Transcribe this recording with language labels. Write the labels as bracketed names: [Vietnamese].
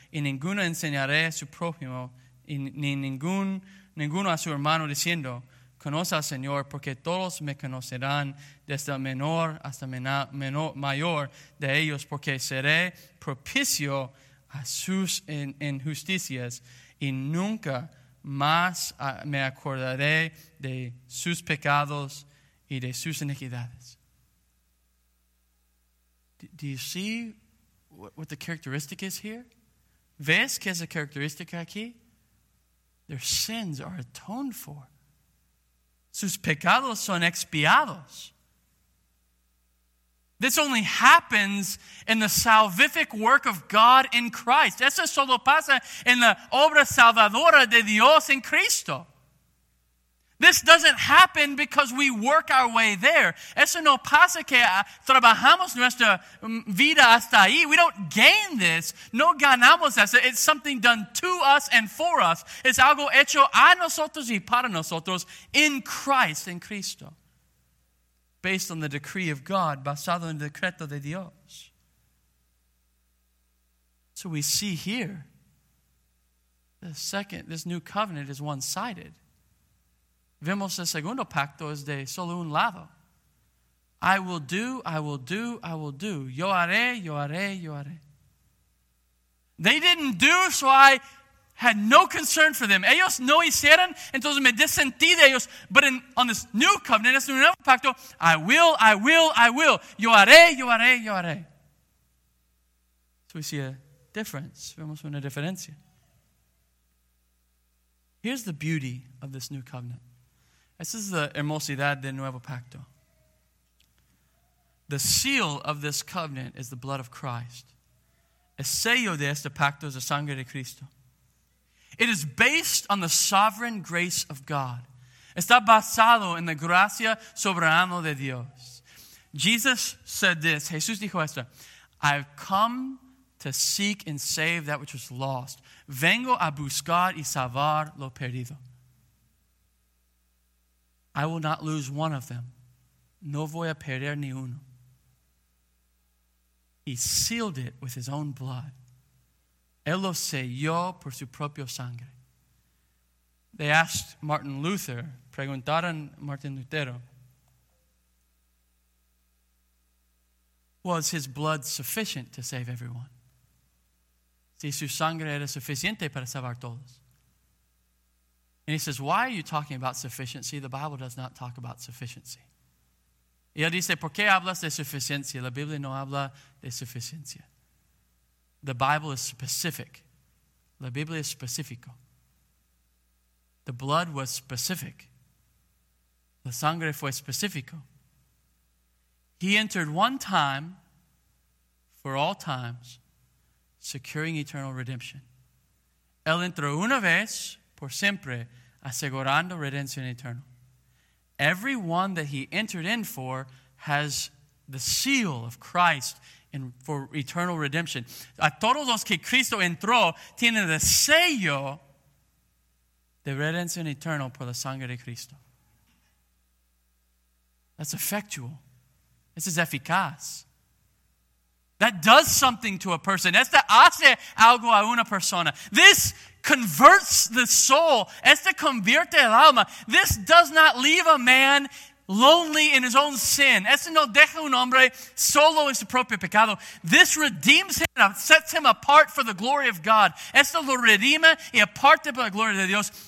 [Spanish] Y ninguno enseñaré a su prójimo, y ninguno a su hermano, diciendo, conoce al Señor, porque todos me conocerán, desde el menor hasta menor, mayor de ellos, porque seré propicio a sus injusticias, y nunca más me acordaré de sus pecados y de sus iniquidades. [English] Do you see what the characteristic is here? [Spanish] ¿Ves qué es la característica aquí? [English] Their sins are atoned for. [Spanish] Sus pecados son expiados. [English] This only happens in the salvific work of God in Christ. [Spanish] Eso solo pasa en la obra salvadora de Dios en Cristo. [English] This doesn't happen because we work our way there. [Spanish] Eso no pasa que trabajamos nuestra vida hasta ahí. [English] We don't gain this. [Spanish] No ganamos eso. [English] It's something done to us and for us. [Spanish] Es algo hecho a nosotros y para nosotros in Christ, in Cristo. [English] Based on the decree of God, [Spanish] basado en el decreto de Dios. [English] So we see here, this new covenant is one-sided. [Spanish] Vemos el segundo pacto es de solo un lado. [English] I will do, I will do, I will do. [Spanish] Yo haré, yo haré, yo haré. [English] They didn't do, so I had no concern for them. [Spanish] Ellos no hicieron, entonces me desentí de ellos. [English] But in, on this new covenant, this new pacto, I will, I will, I will. [Spanish] Yo haré, yo haré, yo haré. [English] So we see a difference. [Spanish] Vemos una diferencia. [English] Here's the beauty of this new covenant. This is the hermosidad del nuevo pacto. The seal of this covenant is the blood of Christ. [Spanish] El sello de este pacto es la sangre de Cristo. [English] It is based on the sovereign grace of God. [Spanish] Está basado en la gracia soberana de Dios. [English] Jesus said this, [Spanish] Jesús dijo esto, [English] I have come to seek and save that which was lost. [Spanish] Vengo a buscar y salvar lo perdido. [English] I will not lose one of them. [Spanish] No voy a perder ni uno. [English] He sealed it with his own blood. [Spanish] Él lo selló por su propio sangre. [English] They asked Martin Luther, [Spanish] preguntaron Martin Lutero, [English] was his blood sufficient to save everyone? [Spanish] Si su sangre era suficiente para salvar todos. [English] And he says, why are you talking about sufficiency? The Bible does not talk about sufficiency. [Spanish] Y él dice, ¿por qué hablas de suficiencia? La Biblia no habla de suficiencia. [English] The Bible is specific. [Spanish] La Biblia es específico. [English] The blood was specific. [Spanish] La sangre fue específico. [English] He entered one time for all times, securing eternal redemption. [Spanish] Él entró una vez por siempre, asegurando redención eterna. [English] Every one that he entered in for has the seal of Christ in, for eternal redemption. [Spanish] A todos los que Cristo entró tienen el sello de redención eterna por la sangre de Cristo. [English] That's effectual. This is eficaz. That does something to a person. [Spanish] Esta hace algo a una persona. [English] This converts the soul. [Spanish] Este convierte el alma. [English] This does not leave a man lonely in his own sin. [Spanish] Este no deja un hombre solo en su propio pecado. [English] This redeems him and sets him apart for the glory of God. [Spanish] Este lo redime y aparte para la gloria de Dios.